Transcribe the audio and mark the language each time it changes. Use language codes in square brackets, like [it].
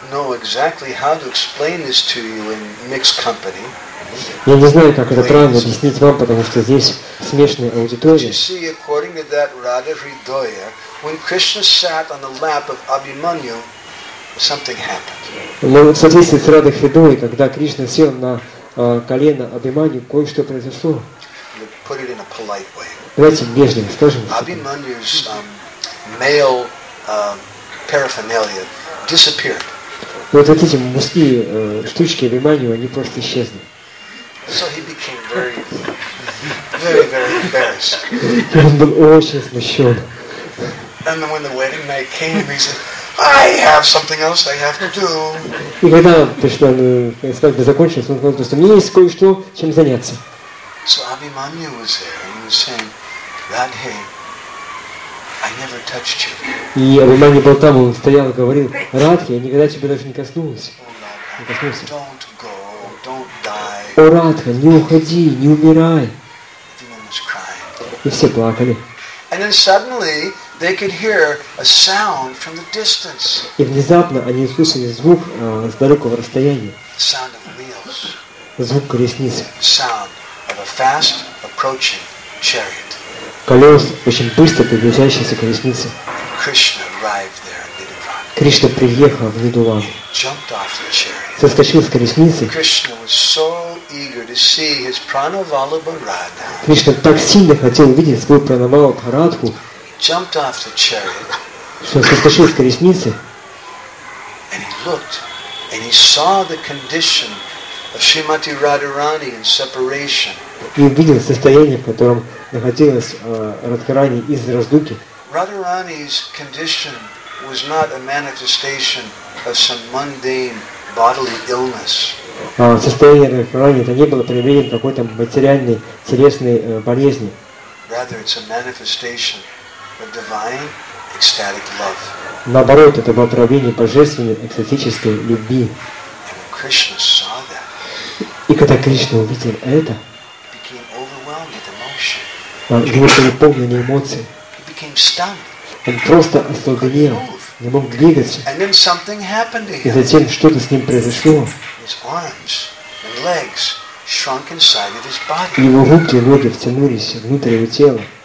[en] I don't know exactly how to explain this to you in mixed company. [ru] Я не знаю, как это правильно объяснить вам, потому что здесь смешанная аудитория. [en] You see, according to that Radha Hridaya, when Krishna sat on the lap of Abhimanyu, something happened. [ru] Но в соответствии с Радой Хридой, когда Кришна сел на колено Абхиманью, кое-что произошло. [en] Put it in a polite way. [ru] Давайте вежливо скажем. [en] Abhimanyu's male paraphernalia disappeared. [ru] Вот эти мужские штучки Абхиманью, они просто исчезли. [en] So he became very, very, very embarrassed. [ru] Он был очень смущен. [en] And then when the wedding night came, he said, I have something else I have to do. [ru] И когда пришла свадьба закончилась, он сказал, что мне есть кое-что, чем заняться. [en] So Abhimanyu was there and was saying, Radhe, I never touched you. [ru] И Абхиманью был там, он стоял и говорил, Радхе, я никогда тебя даже не коснулась. Не коснулся. [en] Don't go, don't die. [ru] О, Радха, не уходи, не умирай. И все плакали. [en] And then suddenly they could hear a sound from the distance. [ru] И внезапно они услышали звук с далекого расстояния. [en] Sound of wheels. [ru] Звук колесниц. [en] Sound of a fast approaching chariot. [ru] Колес очень быстро приближающейся колесницы. [en] Krishna arrived there in Nidavan. [ru] Кришна приехал в Нидаван. [en] He jumped off the chariot. [ru] Соскочил с колесницы. [en] Krishna was so eager to see his Pranavallabha Radha. [ru] Кришна так сильно хотел увидеть свою Пранавалабху Радху. [en] Jumped off the chariot. [ru] Что соскочил с колесницы. [en] And he looked, and he saw the condition of Shrimati Radharani in separation. [ru] И увидел состояние, в котором находилась Радхарани из раздумки. [en] Radharani's condition was not a manifestation of some mundane bodily illness. [ru] Состояние Радхарани это не было проявлением какой-то материальной телесной болезни. [en] Rather, it's a manifestation. A divine ecstatic love. [ru] Наоборот, это было проявление божественной экстатической любви. [en] And when Krishna saw that, [ru] и когда Кришна увидел это, [en] he became overwhelmed with emotion. [ru] Его переполнили эмоции. [en] He became stunned. [ru] Он просто остолбенел, не мог двигаться. [en] And then something happened to him. [ru] И затем что-то с ним произошло. [en] His arms and legs shrunk inside of his body. [ru] И его руки и ноги втянулись внутрь его тела.